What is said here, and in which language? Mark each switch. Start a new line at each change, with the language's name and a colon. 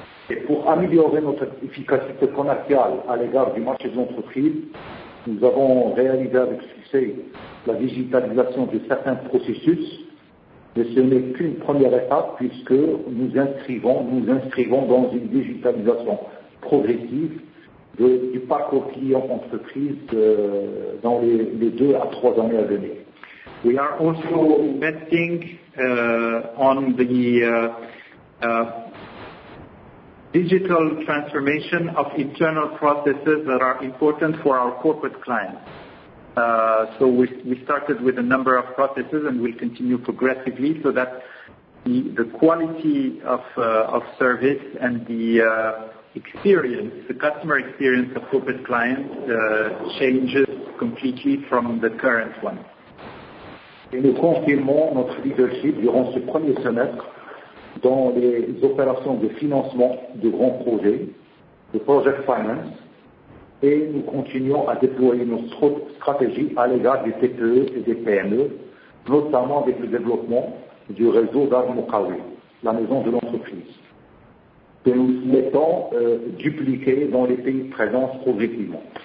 French: Et pour améliorer notre efficacité commerciale à l'égard du marché des entreprises, nous avons réalisé avec succès la digitalisation de certains processus, mais ce n'est qu'une première étape puisque nous inscrivons dans une digitalisation progressive du parcours client entreprise dans les deux à trois années à venir.
English: We are also investing on the digital transformation of internal processes that are important for our corporate clients. So we started with a number of processes and will continue progressively so that the quality of service and the experience, the customer experience of corporate clients changes completely from the current one.
French: Et nous confirmons notre leadership durant ce premier semestre dans les opérations de financement de grands projets, de
English: project finance,
French: et nous continuons à déployer notre stratégie à l'égard des TPE et des PME, notamment avec le développement du réseau d'Armokawi, la maison de l'entreprise, que nous souhaitons dupliquer dans les pays présents progressivement.